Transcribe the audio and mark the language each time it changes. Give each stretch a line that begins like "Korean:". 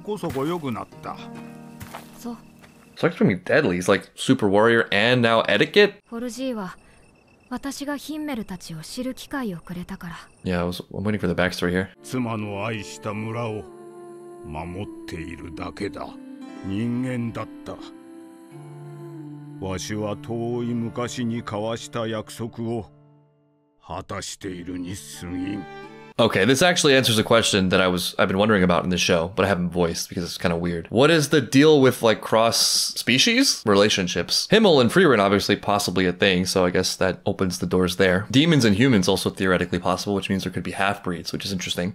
English: Stark's pretty deadly. He's like super warrior and now etiquette?
Japanese: 私がヒンメルたちを知る機会をくれたから。
English: Yeah, I'm waiting for the backstory here.
Japanese: 妻の愛した村を守っているだけだ。人間だった。わしは遠い昔に交わした約束を果たしているに過ぎん。
English: Okay, this actually answers a question that I've been wondering about in the show, but I haven't voiced because it's kind of weird. What is the deal with, like, cross-species relationships? Himmel and Frieren, obviously, possibly a thing, so I guess that opens the doors there. Demons and humans, also theoretically possible, which means there could be half-breeds, which is interesting.